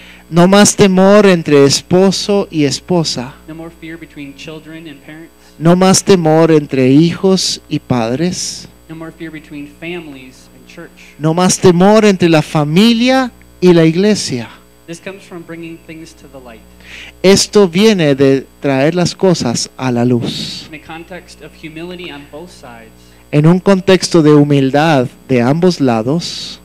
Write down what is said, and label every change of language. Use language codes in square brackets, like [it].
[es] No más temor entre esposo y esposa. [en] No more fear between children and parents. [es] No más temor entre hijos y padres. [en] No more fear between families and church. [es] No más temor entre la familia y la iglesia. [en] This comes from bringing things to the light. [es] Esto viene de traer las cosas a la luz. [en] In a context of humility on both sides, [es] en un contexto de humildad de ambos lados,